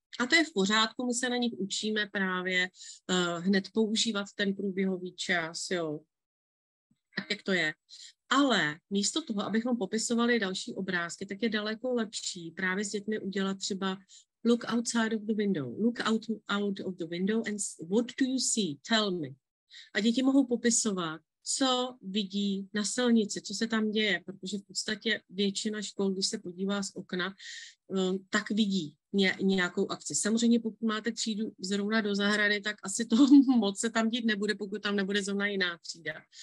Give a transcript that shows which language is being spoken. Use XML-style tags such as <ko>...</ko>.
<cs>A to je v pořádku, my se na nich učíme právě hned používat ten průběhový čas, jo. Tak, jak to je. Ale místo toho, abychom popisovali další obrázky, tak je daleko lepší právě s dětmi udělat třeba</cs> <en>look outside of the window. Look out of the window and what do you see? Tell me.</en> <cs>A děti mohou popisovat, co vidí na silnici, co se tam děje, protože v podstatě většina škol, když se podívá z okna, tak vidí nějakou akci. Samozřejmě pokud máte třídu zrovna do zahrady, tak asi to moc se tam dít nebude, pokud tam nebude zrovna jiná třída.</cs>